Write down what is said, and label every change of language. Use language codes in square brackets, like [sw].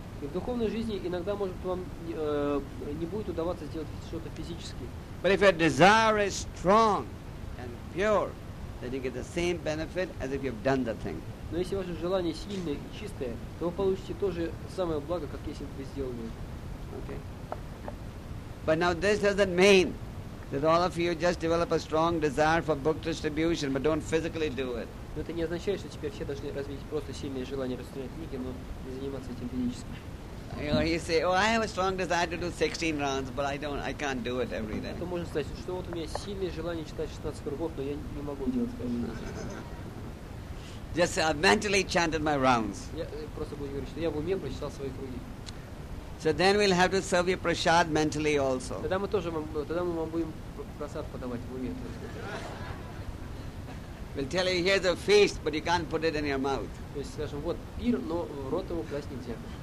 [ru] И в духовной жизни иногда, может, вам не будет удаваться сделать что-то физически. [en] But if your desire is strong and pure, then you get the same benefit as if you've done the thing. [ru] Но если ваше желание сильное и чистое, то вы получите то же самое благо, как если бы вы сделали. [en] Okay. But now this doesn't mean that all of you just develop a strong desire for book distribution, but don't physically do it. [ru] Это не означает, что теперь все должны развить просто сильное желание распространять книги, но не заниматься этим физически. [en] You know, you say, oh, I have a strong desire to do 16 rounds, but I can't do it every day. [ru] Это можно сказать, что вот у меня сильное желание читать 16 кругов, но я не могу делать каждый раз. [en] Just I mentally chanted my rounds. [ru] Я просто буду говорить, что я в уме прочитал свои круги. [en] So then we'll have to serve your prasad mentally also. [ru] Тогда мы тоже вам, тогда мы вам будем просад подавать в уме. [en] We'll tell you here's a feast, but you can't put it in your mouth. [ru] То есть скажем, вот пир, но в рот его класть нельзя.